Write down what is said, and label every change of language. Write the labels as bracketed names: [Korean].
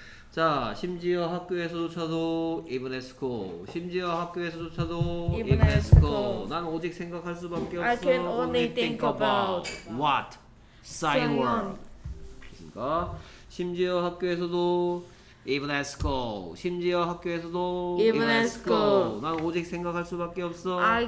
[Korean] 자, 심지어 학교에서조차도 [English] even at school. [Korean] 심지어 학교에서조차도 [English] even at school. [Korean] 난 오직 생각할 수밖에 없어. [English] I can only think about what? Sign word. [Korean] 그러니까 심지어 학교에서도 [English] even at school. [Korean] 심지어 학교에서도 [English] even at school. [Korean] 난 오직 생각할 수밖에 없어.